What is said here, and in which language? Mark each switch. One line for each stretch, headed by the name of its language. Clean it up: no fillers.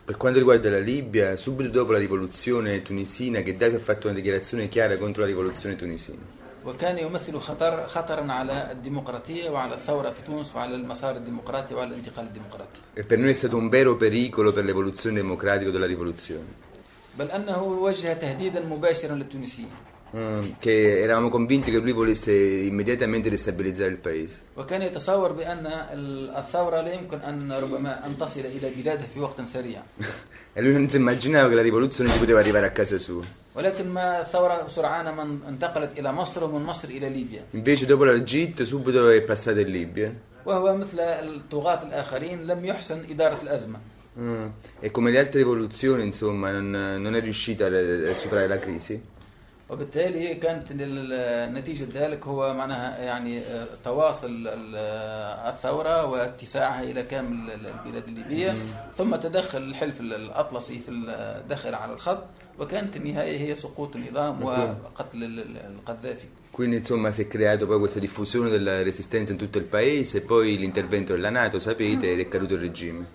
Italian: Per quanto riguarda la Libia, subito dopo la rivoluzione tunisina, Gheddafi ha fatto una dichiarazione chiara contro la rivoluzione tunisina.
Arabic: وكان يمثل خطرا على الديمقراطية وعلى الثورة في تونس وعلى المسار الديمقراطي وعلى الانتقال الديمقراطي.
Italian: E per noi è stato un vero pericolo per l'evoluzione democratica della rivoluzione.
Arabic: بل أنه وجه تهديدا مباشرا للتونسيين.
Italian: Che eravamo convinti che lui volesse immediatamente destabilizzare il paese.
Arabic: وكان يتصور بأن الثورة لا يمكن أن ربما أن تصل إلى بلاده في وقت سريع.
Italian: E lui non si immaginava che la rivoluzione gli poteva arrivare a casa sua.
Arabic: ولكن ما الثورة سرعان ما انتقلت إلى مصر ومن مصر إلى ليبيا.
Italian: Invece dopo l'Egitto subito è passata in Libia.
Arabic: وهو مثل الطغاة الآخرين لم يحسن إدارة الأزمة.
Italian: E come le altre rivoluzioni insomma non è riuscita a superare la crisi.
Arabic: وبالتالي كانت النتيجة ذلك هو معناها يعني تواصل الثورة واتساعها إلى كامل البلاد الليبية، ثم تدخل الحلف الأطلسي في الداخل على الخط، وكانت النهاية هي سقوط النظام وقتل القذافي.
Italian: Quindi insomma si è creato poi questa diffusione della resistenza in tutto il paese e poi l'intervento della NATO, sapete, ed è caduto il regime.